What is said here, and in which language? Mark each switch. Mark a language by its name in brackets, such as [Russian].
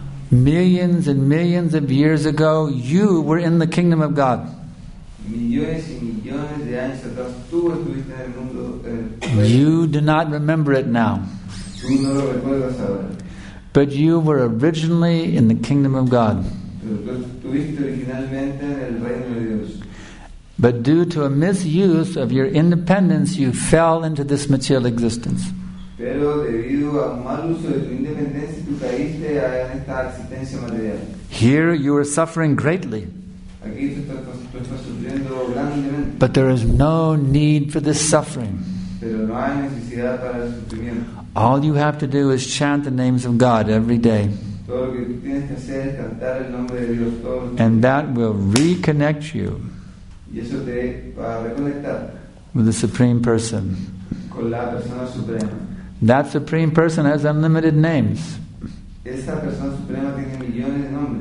[English] Millions and millions of years ago, you were in the kingdom of God. [Spanish] Millones y millones de años atrás, tú estuviste en el mundo, [English] you do not remember it now. [Spanish] Tú no lo recuerdas ahora. [English] But you were originally in the kingdom of God. [Spanish] Pero tú estuviste originalmente en el reino de Dios. [English] But due to a misuse of your independence, you fell into this material existence. [Spanish] Pero debido a un mal uso de tu independencia, tú caíste en esta existencia material. [English] Here you are suffering greatly. [Spanish] Aquí tú estás sufriendo grandemente. [English] But there is no need for this suffering. [Spanish] Pero no hay necesidad para el sufrimiento. [English] All you have to do is chant the names of God every day. [Spanish] Todo lo que tú tienes que hacer es cantar el nombre de Dios todos los días. [English] And that will reconnect you. [Spanish] Y eso te va a reconectar. [English] With the Supreme Person. [Spanish] Con la persona suprema. [English] That Supreme Person has unlimited names. [Spanish] Esa persona suprema tiene millones de nombres.